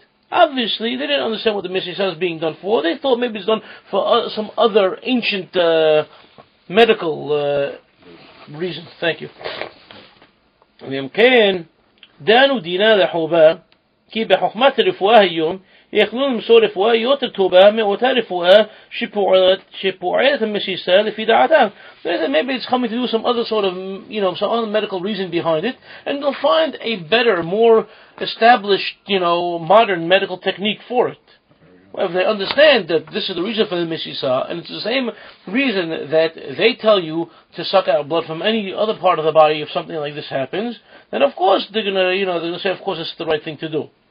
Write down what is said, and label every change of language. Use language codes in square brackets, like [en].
[en] Obviously, they didn't understand what the Mesisa is being done for. They thought maybe it's done for some other ancient medical reason. Thank you. [he] כי בחוכמת הרפואה היום יכלו למסור רפואה יותר טובה מאותה רפואה שפועלת המשיסה לפי דעתם. [en] Maybe it's coming to do some other sort of, you know, some other medical reason behind it, and they'll find a better, more established, you know, modern medical technique for it. Well, if they understand that this is the reason for the Mesisa, and it's the same reason that they tell you to suck out blood from any other part of the body if something like this happens, then of course they're gonna, you know, they're gonna say, of course, it's the right thing to do.